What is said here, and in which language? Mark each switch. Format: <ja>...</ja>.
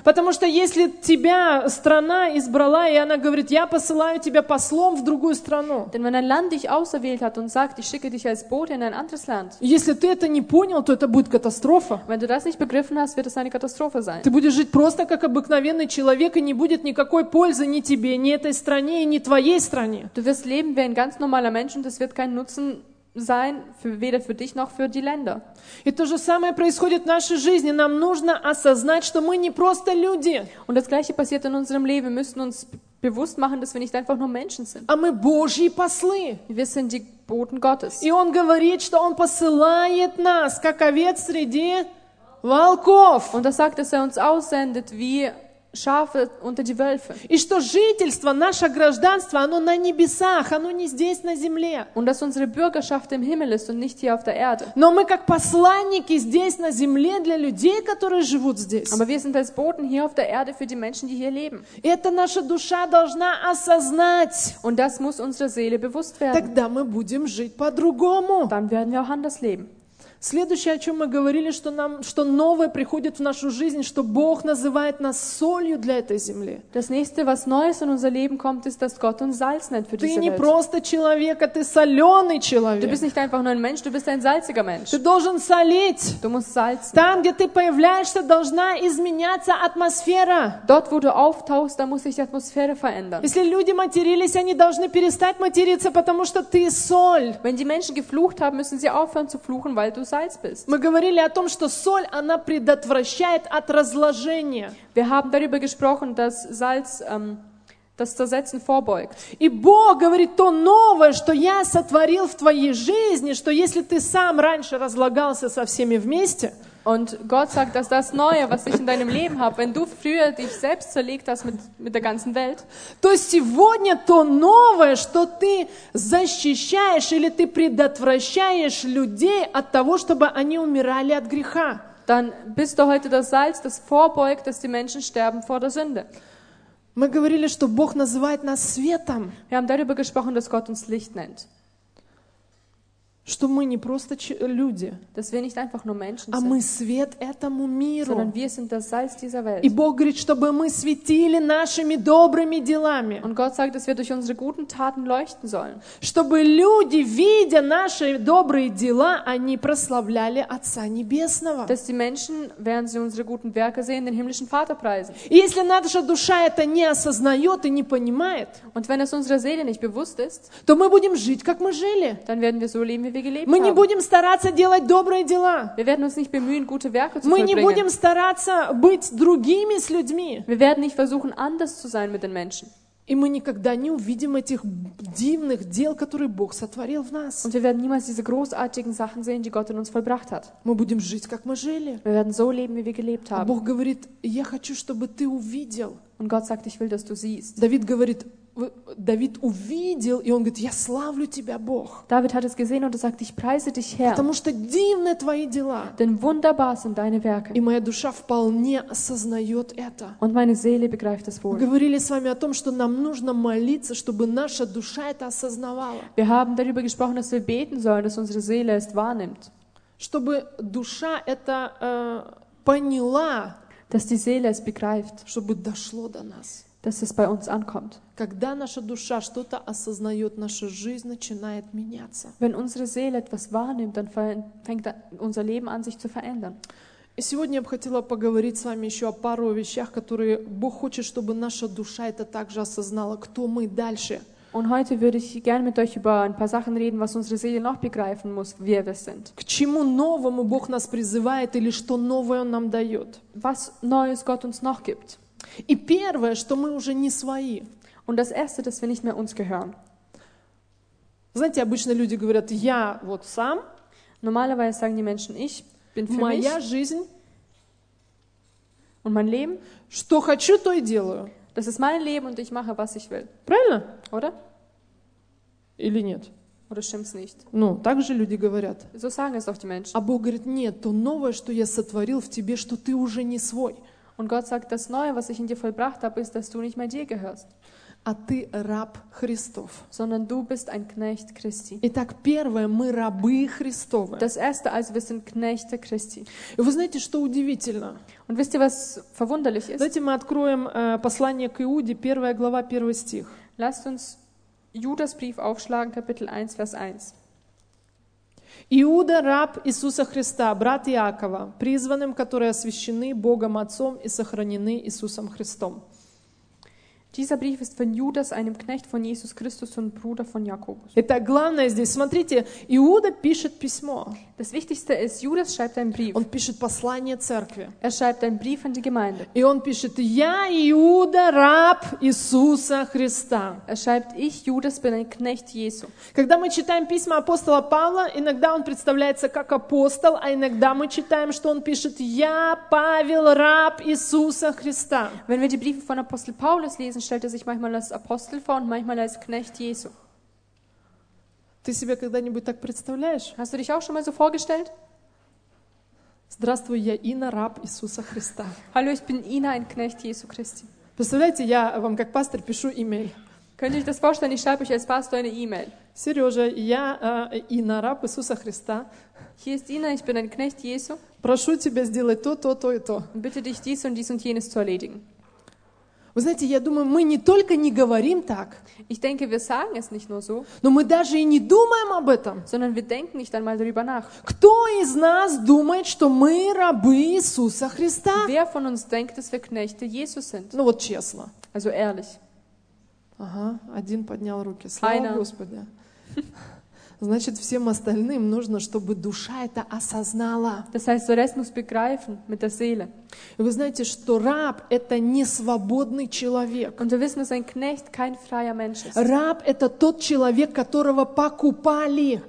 <ru>Потому что если тебя страна избрала, и она говорит, я посылаю тебя послом в другую страну.</ru> <de>Denn wenn ein Land dich auserwählt hat und sagt, ich schicke dich als Bote in ein anderes Land.</de> <ru>Если ты это не понял, то это будет катастрофа.</ru> <de>Wenn du das nicht begriffen hast, wird es eine Katastrophe sein.</de> <ru>Ты будешь жить просто как обыкновенный человек, и не будет никакой пользы ни тебе, ни этой стране, и ни твоей стране.</ru> <de>Du wirst leben wie ein ganz normaler Mensch, und es wird keinen Nutzen sein, weder für dich noch für die Länder.</de> <ru>И то же самое происходит в нашей жизни. Нам нужно осознать, что мы не просто люди.</ru> <de>Und das gleiche passiert in unserem Leben. Wir müssen uns bewusst machen, dass wir nicht einfach nur Menschen sind.</de> <ru>А мы Божьи послы.</ru> <de>Wir sind die Boten Gottes.</de> <ru>И он говорит, что он посылает нас, как овец среди волков.</ru> <de>Und das sagt, dass uns aussendet wie Schafe unter die Wölfe.</de> <ru>И что жительство, наше гражданство, оно на небесах, оно не здесь, на земле.</ru> <de>Und dass unsere Bürgerschaft im Himmel ist und nicht hier auf der Erde.</de> <ru>Но мы как посланники здесь, на земле, для людей, которые живут здесь.</ru> <de>Aber wir sind als Boten hier auf der Erde für die Menschen, die hier leben.</de> <ru>И это наша душа должна осознать.</ru> <de>Und das muss unsere Seele bewusst werden.</de> <ru>Тогда мы будем жить по-другому.</ru> <de>Dann werden wir auch anders leben.</de> <ru>Следующее, о чем мы говорили, что нам, что новое приходит в нашу жизнь, что Бог называет нас солью для этой земли.</ru> <de>Das nächste, was Neues in unser Leben kommt, ist, dass Gott uns Salz nennt für diese Welt.</de> <ru>Ты не просто человек, а ты соленый человек.</ru> <de>Du bist nicht einfach nur ein Mensch, du bist ein salziger Mensch.</de> <ru>Ты должен солить.</ru> <de>Du musst salzen.</de> <ru>Там, где ты появляешься, должна изменяться атмосфера.</ru> <de>Dort, wo du auftauchst, da muss sich die Atmosphäre verändern.</de> <ru>Если люди матерились, они должны перестать материться, потому что ты соль.</ru> <de>Wenn die Menschen geflucht haben, müssen sie aufhören zu fluchen, weil du Salz bist.</de> <ru>Мы говорили о том, что соль, она предотвращает от разложения.</ru> <de>Wir haben darüber gesprochen, dass Salz das Zersetzen vorbeugt.</de> <ru>И Бог говорит то новое, что я сотворил в твоей жизни, что если ты сам раньше разлагался со всеми вместе.</ru> <de>Und Gott sagt, dass das Neue, was ich in deinem Leben habe, wenn du früher dich selbst zerlegt hast mit der ganzen Welt.</de> <ru>То есть сегодня то новое, что ты защищаешь или ты предотвращаешь людей от того, чтобы они умирали от греха.</ru> <de>Dann bist du heute das Salz, das vorbeugt, dass die Menschen sterben vor der Sünde.</de> <ru>Мы говорили, что Бог называет нас светом.</ru> <de>Wir haben darüber gesprochen, dass Gott uns Licht nennt.</de> <ru>что мы не просто люди,</ru> <de>dass wir nicht einfach nur Menschen sind,</de> <ru>а мы свет этому миру.</ru> <de>Sondern wir sind das Salz dieser Welt.</de> <ru>И Бог говорит, чтобы мы светили нашими добрыми делами.</ru> <de>Und Gott sagt, dass wir durch unsere guten Taten leuchten sollen.</de> <ru>Чтобы люди, видя наши добрые дела, они прославляли Отца Небесного.</ru> <de>Dass die Menschen, während sie unsere guten Werke sehen, den himmlischen Vater preisen.</de> <ru>Если наша душа это не осознает и не понимает,</ru> <de>und wenn es unserer Seele nicht bewusst ist,</de> <ru>то мы будем жить, как мы жили.</ru> <de>Dann werden wir so leben, wie wir gelebt haben.</de> <ru>Мы не будем стараться делать добрые дела.</ru> <de>Wir werden uns nicht bemühen, gute Werke zu vollbringen.</de> <ru>Мы не будем стараться быть другими с людьми.</ru> <de>Wir werden nicht versuchen, anders zu sein mit den Menschen.</de> <ru>И мы никогда не увидим этих дивных дел, которые Бог сотворил в нас.</ru> <de>Und wir werden niemals diese großartigen Sachen sehen, die Gott in uns vollbracht hat.</de> <ru>Мы будем жить, как мы жили.</ru> <de>Wir werden so leben, wie wir gelebt haben.</de> <ru>А Бог говорит, я хочу, чтобы ты увидел.</ru> <de>Und Gott sagt, ich will, dass du siehst.</de> <ru>Давид говорит, Давид увидел, и он говорит, я славлю тебя, Бог.</ru> <de>David hat es gesehen und er sagt, ich preise dich, Herr.</de> <ru>Потому что дивны твои дела.</ru> <de>Denn wunderbar sind deine Werke.</de> <ru>И моя душа вполне осознает это.</ru> <de>Und meine Seele begreift es wohl.</de> <ru>Мы говорили с вами о том, что нам нужно молиться, чтобы наша душа это осознавала.</ru> <de>Wir haben darüber gesprochen, dass wir beten sollen, dass unsere Seele es wahrnimmt.</de> <ru>Чтобы душа это поняла.</ru> <de>Dass die Seele es begreift.</de> <ru>Чтобы дошло до нас.</ru> <de>Dass es bei uns ankommt.</de> <ru>Когда наша душа что-то осознает, наша жизнь начинает меняться.</ru> <de>Wenn unsere Seele etwas wahrnimmt, dann fängt unser Leben an, sich zu verändern.</de> <ru>И сегодня я бы хотела поговорить с вами еще о пару вещах, которые Бог хочет, чтобы наша душа это также осознала, кто мы дальше.</ru> <de>Und heute würde ich gerne mit euch über ein paar Sachen reden, was unsere Seele noch begreifen muss, wer wir sind.</de> <ru>К чему новому Бог нас призывает или что новое Он нам дает?</ru> <de>Was Neues Gott uns noch gibt?</de> <ru>И первое, что мы уже не свои.</ru> <de>Und das Erste, dass wir nicht mehr uns gehören.</de> <ru>Знаете, обычно люди говорят, я вот сам.</ru> <de>Normalerweise sagen die Menschen, ich bin für</de> <ru>моя</ru> <de>mich.</de> <ru>Жизнь.</ru> <de>Und mein Leben.</de> <ru>Что хочу, то и делаю.</ru> <de>Das ist mein Leben und ich mache, was ich will.</de> <ru>Правильно?</ru> <de>Oder?</de> <ru>Или нет?</ru> <de>Oder stimmt's nicht?</de> <ru>Ну, так же люди говорят.</ru> <de>So sagen es auch die Menschen.</de> <ru>А Бог говорит, нет, то новое, что я сотворил в тебе, что ты уже не свой.</ru> <de>Und Gott sagt, das Neue, was ich in dir vollbracht habe, ist, dass du nicht mehr dir gehörst.</de> <ru>А ты раб Христов.</ru> <de>Sondern du bist ein Knecht Christi.</de> <ru>Итак, первое, мы рабы Христовы.</ru> <de>Das Erste, also wir sind Knechte Christi.</de> <ru>И вы знаете, что удивительно?</ru> <de>Und wisst ihr, was verwunderlich ist?</de> <ru>Давайте мы откроем послание к Иуде, 1 глава, 1 стих.</ru> <de>Lasst uns Judas Brief aufschlagen, Kapitel 1, Vers 1.</de> <ru>Иуда, раб Иисуса Христа, брат Иакова, призванным, которые освящены Богом Отцом и сохранены Иисусом Христом.</ru> <de>Dieser Brief ist von Judas, einem Knecht von Jesus Christus und Bruder von Jakobus.</de> <ru>Итак, главное здесь, смотрите, Иуда пишет письмо.</ru> <de>Das Wichtigste ist, Judas schreibt einen Brief.</de> <ru>Он пишет послание церкви.</ru> <de>Er schreibt einen Brief an die Gemeinde.</de> <ru>И он пишет, я Иуда, раб Иисуса Христа.</ru> <de>Er schreibt, ich, Judas, bin ein Knecht Jesu.</de> <ru>Когда мы читаем письма апостола Павла, иногда он представляется как апостол, а иногда мы читаем, что он пишет, я Павел, раб Иисуса Христа.</ru> <de>Wenn wir die Briefe von Apostel Paulus lesen, stellt er sich manchmal als Apostel vor und manchmal als Knecht Jesu.</de> <ru>Ты себе когда-нибудь так представляешь?</ru> <de>Hast du dich auch schon mal so vorgestellt?</de> <ru>Здравствуй, я Ина, раб Иисуса Христа.</ru> <de>Hallo, ich bin Ina, ein Knecht Jesu Christi.</de> <ru>Представляете, я вам как пастор пишу E-Mail.</ru> <de>Könnt ihr euch das vorstellen? Ich schreibe euch als Pastor eine E-Mail.</de> <ru>Сережа, я Ина, раб Иисуса Христа.</ru> <de>Hier ist Ina, ich bin ein Knecht Jesu.</de> <ru>Прошу тебя сделать то, то, то и то.</ru> <de>Bitte dich dies und dies und jenes zu erledigen.</de> <ru>Вы знаете, я думаю, мы не только не говорим так,</ru> <de>ich denke, wir sagen es nicht nur so,</de> <ru>но мы даже и не думаем об этом.</ru> <de>Sondern wir denken nicht einmal darüber nach.</de> <ru>Кто из нас думает, что мы рабы Иисуса Христа?</ru> <de>Wer von uns denkt, dass wir Knechte Jesus sind?</de> <ru>Ну вот честно.</ru> <de>Also ehrlich.</de> <ru>Ага, один поднял руки. Слава Господу. Значит, всем остальным нужно, чтобы душа это осознала.</ru> <de>Das heißt, der Rest muss begreifen mit der Seele.</de> <ru>И вы знаете, что раб это не свободный человек.</ru> <de>Und wir wissen, dass ein Knecht kein freier Mensch ist.</de> <ru>Раб это тот человек, которого покупали.</ru>